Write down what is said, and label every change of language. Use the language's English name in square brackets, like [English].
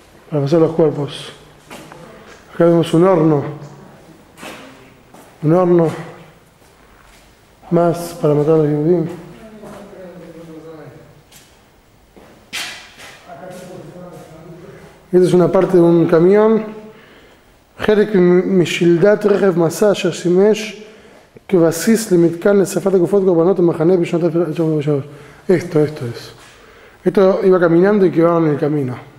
[Spanish] Para pasar los cuerpos. Acá vemos un horno. Un horno más para matar a los yudim. Esta es una parte de un camión. [Hebrew] חלק משלדת רכב מסע אשר שימש כבסיס למתקן לשרפת הגופות קורבנות המחנה בשנות 1943. [Spanish] Esto, esto es. Esto iba caminando y quedaron en el camino.